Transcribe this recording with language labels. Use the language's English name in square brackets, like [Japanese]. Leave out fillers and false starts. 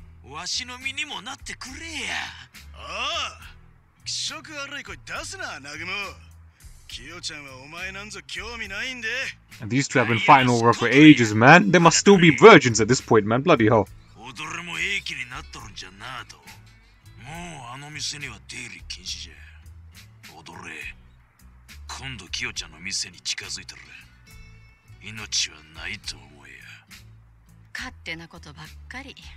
[Japanese] わしの身にもなってくれや。ああ、気色悪い声出すな、ナグモ。キヨちゃんはお前なんぞ興味ないんで。 [English] And these two have been fighting over for ages, man. They must still be virgins at this point, man. Bloody hell. [Japanese] おどれも平気になっとるんじゃなあと。もうあの店には出入り禁止じゃ。おどれ、今度キヨちゃんの店に近づいてる。命はないと思えや。勝手なことばっかり。